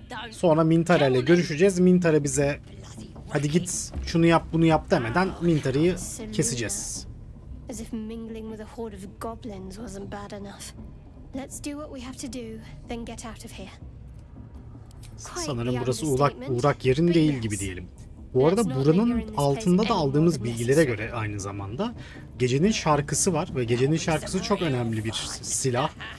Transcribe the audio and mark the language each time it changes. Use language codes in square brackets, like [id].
[tr] Sonra Mintara ile görüşeceğiz. Mintara bize hadi git şunu yap bunu yap demeden Mintara'yı keseceğiz. [en] As if mingling with a horde of goblins wasn't bad enough. Let's do what we have to do, then get out of here. [tr] Sanırım burası uğrak yerin değil gibi diyelim. Bu arada buranın altında da aldığımız bilgilere göre aynı zamanda gecenin şarkısı var ve gecenin şarkısı çok önemli bir silah.